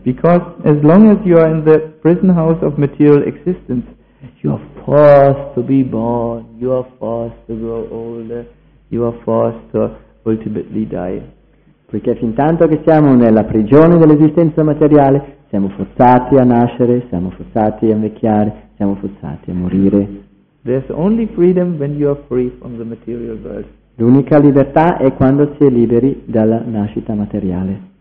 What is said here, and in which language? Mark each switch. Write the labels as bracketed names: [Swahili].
[English] Because as long as you are in the prison house of material existence, you are forced to be born, you are forced to grow older, you are forced to ultimately die. [Italian] Perché fin tanto che siamo nella prigione dell'esistenza materiale, siamo forzati a nascere, siamo forzati a invecchiare, siamo forzati a morire. [English] There's only freedom when you are free from the material world. [Italian] L'unica libertà è quando si è liberi dalla nascita materiale.